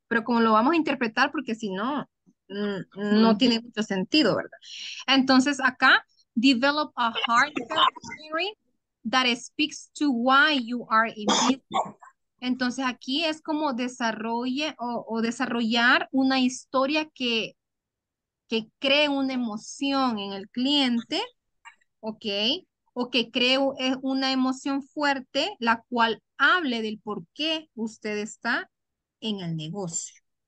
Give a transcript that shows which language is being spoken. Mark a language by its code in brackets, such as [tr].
[es] Pero como lo vamos a interpretar, porque si no, no tiene mucho sentido, ¿verdad? Entonces acá, [en] develop a heartfelt theory that speaks to why you are in business. [es] Entonces aquí es como desarrolle o desarrollar una historia que cree una emoción en el cliente, ¿ok? O que cree una emoción fuerte, la cual hable del por qué usted está en el negocio.